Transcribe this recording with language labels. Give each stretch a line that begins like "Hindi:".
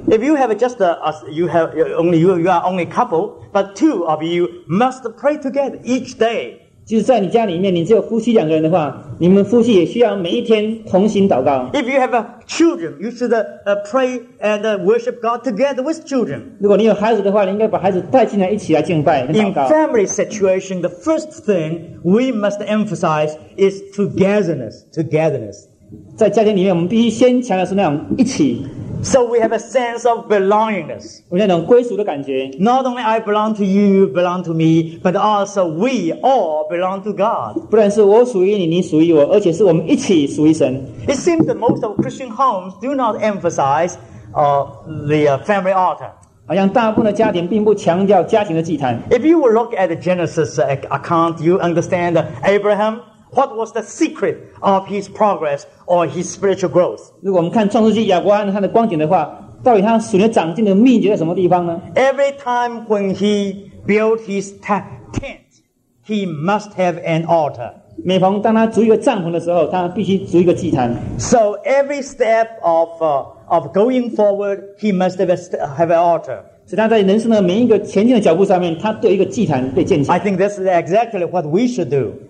English: If you have just you are only couple, but two of you must pray together each day.
Chinese: 就是在你家里面，你只有夫妻两个人的话，你们夫妻也需要每一天同心祷告。
English: If you have children, you should pray and worship God together with children.
Chinese: 如果你有孩子的话，你应该把孩子带进来一起来敬拜、祷告。
English: In family situation, the first thing we must emphasize is togetherness. Togetherness.
Chinese: 在家庭里面，我们必须先强调是那种一起。
English: So we have a sense of belongingness. Not only I belong to you, you belong to me, but also we all belong to God. It seems that most of Christian homes do not emphasize the family altar. If you will look at the Genesis account, you understand Abraham. What was the secret of his progress or his spiritual growth?
Chinese: 如果我们看创世纪亚伯拉罕他的光景的话，到底他属灵长进的秘诀在什么地方呢？
English: Every time when he built his tent, he must have an altar.
Chinese: 每逢当他筑一个帐篷的时候，他必须筑一个祭坛。
English: So every step of going forward, he must have an altar.
Chinese: 所以他在人生的每一个前进的脚步上面，他对一个祭坛被建起。
English: I think this is exactly what we should do.